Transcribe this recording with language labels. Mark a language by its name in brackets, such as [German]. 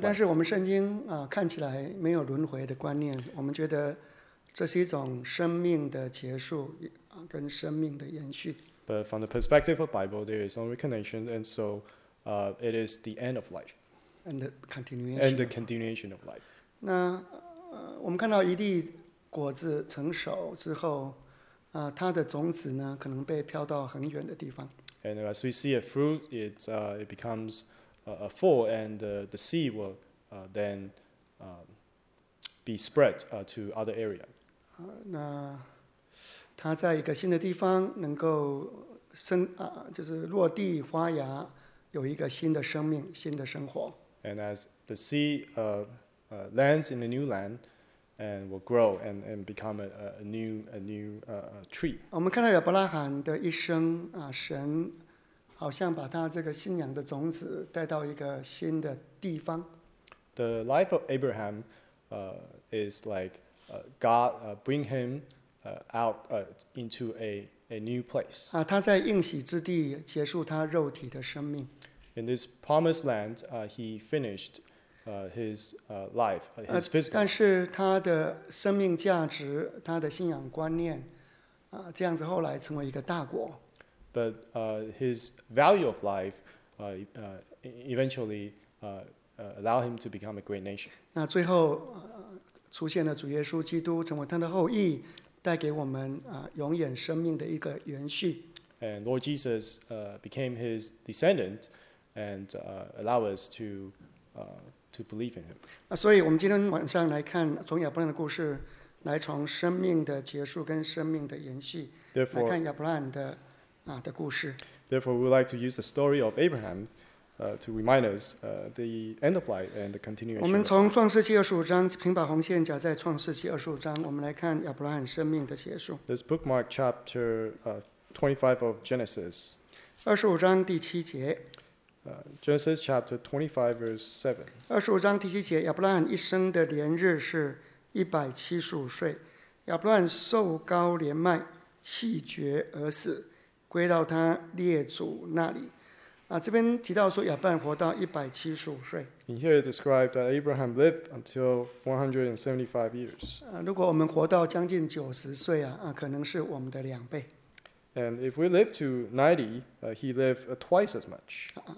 [Chinese] 但是我们圣经看起来没有轮回的观念，我们觉得这是一种生命的结束跟生命的延续。 [English] But from the perspective of Bible, there is no recognition, and so it is the end of life. And the continuation of life. [Chinese] 那我们看到一粒果子成熟之后，它的种子呢可能被飘到很远的地方。 [English] And as we see a fruit, it becomes a full, and the seed will then be spread to other area. [Chinese] 那它在一个新的地方能够生就是落地发芽，有一个新的生命，新的生活。 [English] And as the seed lands in a new land, and will grow and become a new tree. [Chinese] 我们看到亚伯拉罕的一生神好像把他这个信仰的种子带到一个新的地方。 [English] The life of Abraham, is like God bring him out into a new place. [Chinese] 他在应许之地结束他肉体的生命。 [English] In this promised land, he finished his life, his physical. [Chinese] 但是他的生命价值，他的信仰观念，这样子后来成为一个大国。 [English] But his value of life eventually allow him to become a great nation. [Chinese] 那最后出现了主耶稣基督，成为他的后裔，带给我们永远生命的一个延续。 [English] And Lord Jesus became his descendant and allow us to believe in him. [Chinese] 所以我们今天晚上来看从亚伯拉罕的故事，来从生命的结束跟生命的延续来看亚伯拉罕的的故事。 [English] Therefore, we would like to use the story of Abraham to remind us the end of life and the continuation. [Chinese] 我们从创世纪二十五章，请把红线夹在创世纪二十五章，我们来看亚伯拉罕生命的结束。 [English] Let's bookmark chapter 25 of Genesis. [Chinese] 二十五章第七节。 [English] Genesis chapter 25 verse 7. [Chinese] 二十五章第七节，亚伯拉罕一生的年日是175岁，亚伯拉罕瘦高年迈，气绝而死。归到他列祖那里，这边提到说亚伯拉罕活到175岁。 [English] In here it described that Abraham lived until 175 years. [Chinese] 如果我们活到将近90岁可能是我们的两倍。 [English] And if we live to 90, he lived twice as much.